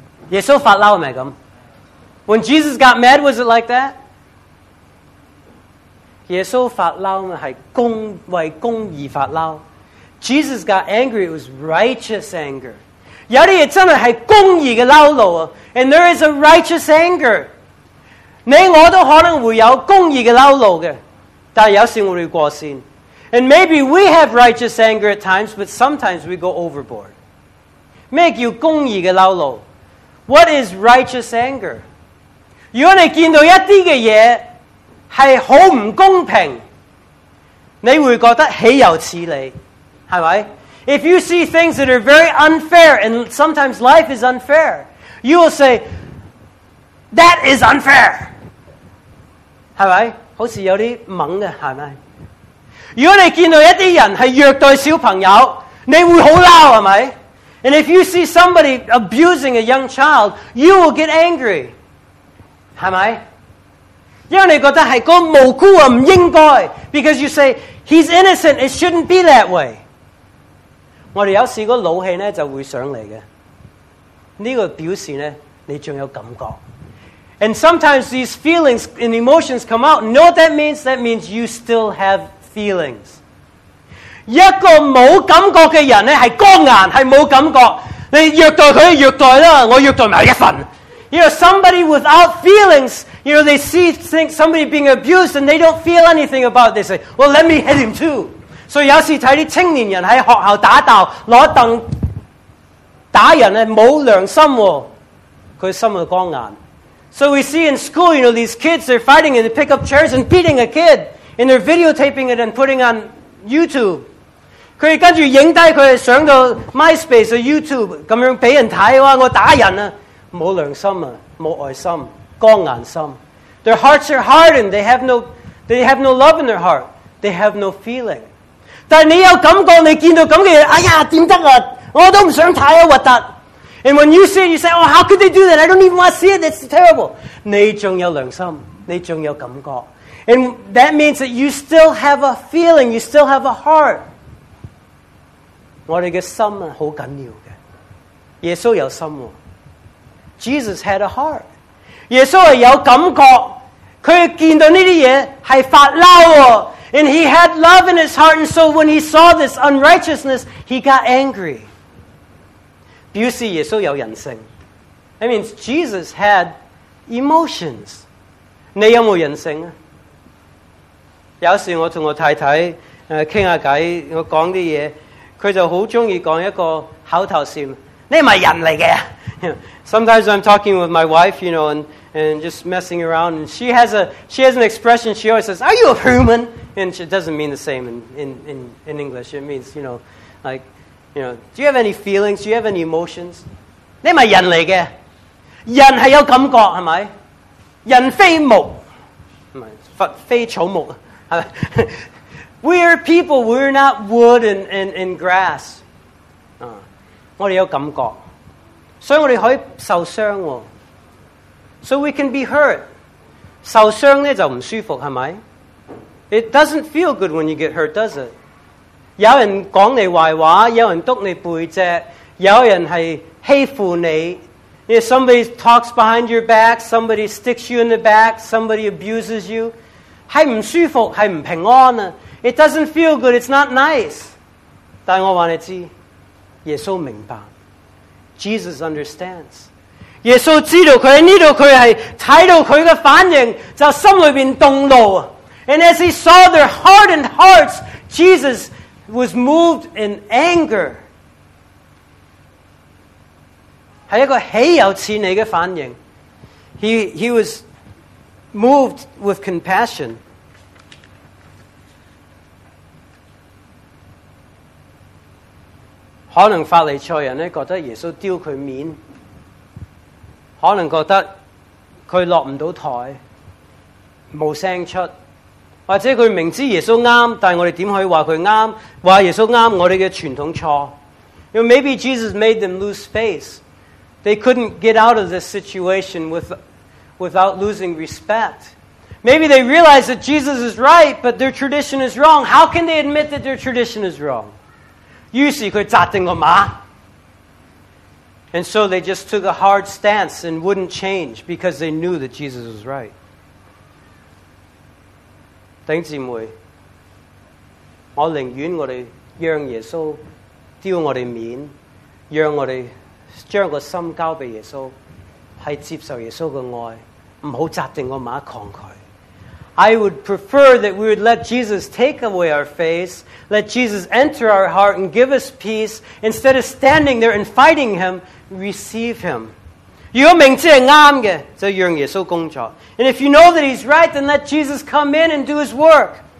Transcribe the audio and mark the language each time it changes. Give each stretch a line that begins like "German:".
Cantonese: 耶稣发嬲系咪咁
English: ？When Jesus got mad, was it like that?
Cantonese: 耶稣发怒是为公义发怒。
English: Jesus got angry, it was righteous anger.
Cantonese: 有些真的是公义的怒怒。
English: And there is a righteous anger.
Cantonese: 你我都可能会有公义的怒怒的。但有时我们会过线。
English: And maybe we have righteous anger at times, but sometimes we go overboard.
Cantonese: 什么叫公义的怒怒？
English: What is righteous anger?
Cantonese: 如果你见到一些的东西是好唔公平，你会觉得岂有此理，系咪
English: ？If you see things that are very unfair, and sometimes life is unfair, you will say that is unfair，
Cantonese: 系咪？好似有啲猛嘅，系咪？如果你见到一啲人系虐待小朋友，你会好嬲，系咪 ？
English: And if you see somebody abusing a young child, you will get angry，
Cantonese: 系咪？因为你觉得是个无辜啊，唔应该。
English: Because you say he's innocent, it shouldn't be that way.
Cantonese: 我哋有时个怒气咧就会上嚟嘅。呢、这个表示咧，你仲有感觉。
English: And sometimes these feelings and emotions come out. Know what that means? That means you still have feelings.
Cantonese: 一个冇感觉嘅人咧，系刚硬，系冇感觉。你虐待佢，虐待啦，我虐待埋一份。
English: You know, somebody without feelings, you know, they see think somebody being abused and they don't feel anything about it. They say, well, let me hit him too.
Cantonese: So, 有时睇啲青年人喺学校打斗，攞凳打人咧，冇良心喎，佢心就刚硬。
English: So, we see in school, you know, these kids, they're fighting and they pick up chairs and beating a kid. And they're videotaping it and putting on YouTube.
Cantonese: 佢跟住影低佢，上到 MySpace 或 YouTube， 咁样俾人睇哇，我打人啊！冇良心啊，冇爱心，刚硬心。
English: Their hearts are hardened. They have no love in their heart. They have no feeling.
Cantonese: 但你有感觉，你见到咁嘅嘢，哎呀，点得啊？我都唔想睇啊，核突。
English: And when you see it, you say, "Oh, how could they do that? I don't even want to see it. That's terrible."
Cantonese: 你仲有良心，你仲有感觉。
English: And that means that you still have a feeling. You still have a heart.
Cantonese: 我哋嘅心啊，好紧要嘅。耶稣有心喎。
English: Jesus had a heart.
Cantonese: 耶稣系有感觉，佢见到呢啲嘢系发嬲喎。
English: And he had love in his heart, and so when he saw this unrighteousness, he got angry.
Cantonese: 表示耶稣有人性。
English: That means Jesus had emotions.
Cantonese: 你有冇人性啊？有时我同我太太倾下偈，我讲啲嘢，佢就好中意讲一个口头禅：你咪人嚟嘅。
English: Sometimes I'm talking with my wife, you know, and just messing around, and she has an expression. She always says, "Are you a human?" And it doesn't mean the same in English. It means, you know, like, you know, do you have any feelings? Do you have any emotions?
Cantonese: 你咪人嚟嘅，人系有感觉系咪？人非木，佛非草木，系咪？
English: We are people. We're not wood and grass.
Cantonese: 我哋有感觉。所以我哋可以受伤喎、
English: 哦、，so we can be hurt。
Cantonese: 受伤咧就唔舒服，系咪
English: ？It doesn't feel good when you get hurt, does it？
Cantonese: 有人讲你坏话，有人督你背脊，有人系欺负你。
English: If somebody talks behind your back, somebody sticks you in the back, somebody abuses you，
Cantonese: 系唔舒服，系唔平安啊
English: ！It doesn't feel good. It's not nice。
Cantonese: 但我话你知，耶稣明白。
English: Jesus understands.
Cantonese: 耶稣知道佢喺呢度，佢系睇到佢嘅反应，就心里边动怒。
English: And as he saw their hardened hearts, Jesus was moved in anger.
Cantonese: 系一个岂有此理嘅反应。
English: He was moved with compassion.
Cantonese: 可能法利赛人觉得耶稣丢他面，可能觉得他落不到台，无声出，或者他明知耶稣啱，但我哋点可以话佢啱？话耶稣啱，我哋嘅传统错。
English: You know, maybe Jesus made them lose face. They couldn't get out of this situation without losing respect. Maybe they realize that Jesus is right, but their tradition is wrong. How can they admit that their tradition is wrong?
Cantonese: 於是佢扎定個馬
English: ，and so they just took a hard stance and wouldn't change because they knew that Jesus was right。
Cantonese: 弟兄姊妹，我寧願我哋讓耶穌丟我哋面，讓我哋將個心交俾耶穌，係接受耶穌嘅愛，唔好扎定個馬抗拒。
English: I would prefer that we would let Jesus take away our face, let Jesus enter our heart and give us peace, instead of standing there and fighting him, receive him.
Cantonese: 如果明知是啱的，就让耶稣工作。
English: And if you know that he's right, then let Jesus come in and do his work.